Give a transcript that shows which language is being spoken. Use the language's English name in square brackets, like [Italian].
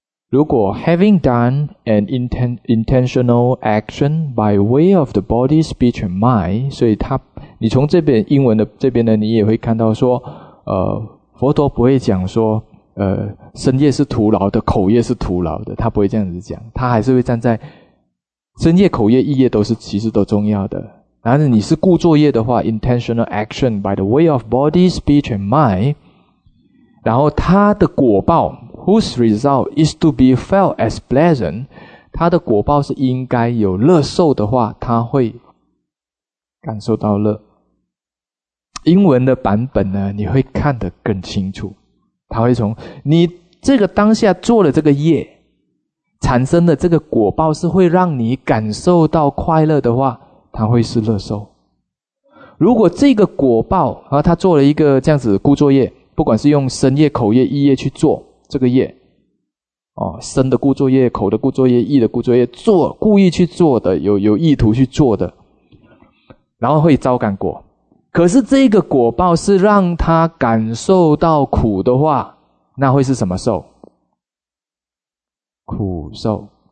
[Chinese] 如果 [English] having done an intentional action by way of the body, speech and mind, [Chinese] 所以他你从这边英文的这边呢，你也会看到说佛陀不会讲说身业是徒劳的，口业是徒劳的，他不会这样子讲，他还是会站在身业、口业、意业都是其实都重要的。但是你是故作业的话 ， [English] intentional action by the way of body, speech and mind， [Chinese] 然后他的果报 ， [English] whose result is to be felt as pleasant， [Chinese] 他的果报是应该有乐受的话，他会感受到乐。英文的版本呢，你会看得更清楚。他会从你这个当下做了这个业产生的这个果报是会让你感受到快乐的话，他会是乐受。如果这个果报啊，他做了一个这样子故作业，不管是用身业、口业、意业去做这个业、哦、身的故作业、口的故作业、意的故作业，做故意去做的，有意图去做的，然后会招感果，可是这个果报是让他感受到苦的话，那会是什么受？苦受。